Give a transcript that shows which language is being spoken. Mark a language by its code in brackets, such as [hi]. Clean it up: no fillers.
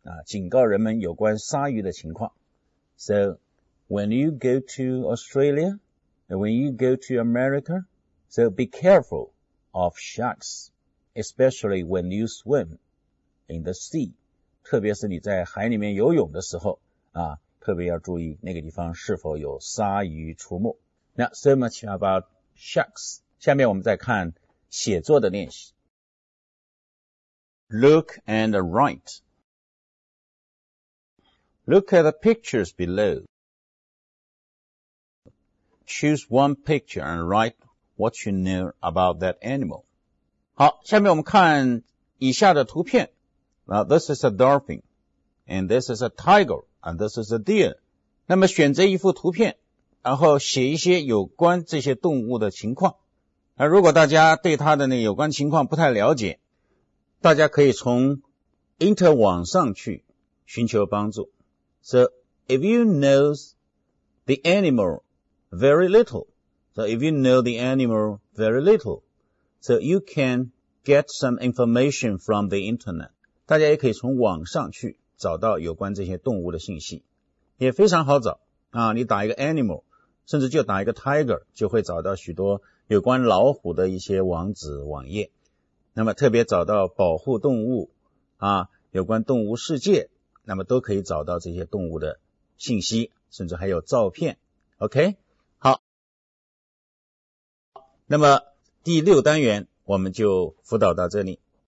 [zh] 警告人们有关鲨鱼的情况。 [en] So when you go to Australia, when you go to America, so be careful of sharks, especially when you swim in the sea. [zh] 特别是你在海里面游泳的时候特别要注意那个地方是否有鲨鱼出没。 [en] Now, so much about sharks. [zh] 下面我们再看写作的练习。 [en] Look and write. Look at the pictures below. Choose one picture and write what you know about that animal. [zh] 好，下面我们看以下的图片。 [en] Now, this is a dolphin, and this is a tiger. And this is a deer. [zh] 那么选择一幅图片，然后写一些有关这些动物的情况。如果大家对它的那有关情况不太了解，大家可以从 Inter 网上去寻求帮助。 [en] So if you know the animal very little, so if you know the animal very little, so you can get some information from the internet. [zh] 大家也可以从网上去。找到有关这些动物的信息也非常好找你打一个 animal 甚至就打一个 tiger 就会找到许多有关老虎的一些网址网页那么特别找到保护动物有关动物世界那么都可以找到这些动物的信息甚至还有照片 OK 好那么第六单元我们就辅导到这里